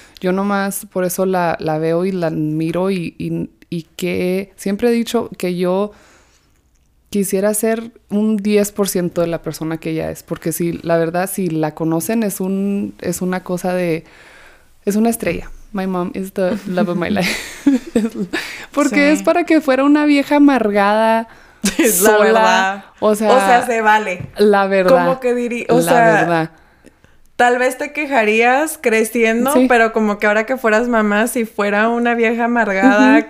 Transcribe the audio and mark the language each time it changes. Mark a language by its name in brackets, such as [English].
[Spanish] Yo nomás por eso la veo y la admiro y que siempre he dicho que yo quisiera ser un 10% de la persona que ella es, porque si la verdad, si la conocen, es una cosa de, es una estrella, [English] My mom is the love of my life. [Spanish] Porque sí. Es para que fuera una vieja amargada, es sola. La verdad. O sea, se vale. La verdad. ¿Cómo que diría? O sea, la verdad. Tal vez te quejarías creciendo, sí. Pero como que ahora que fueras mamá, si fuera una vieja amargada uh-huh.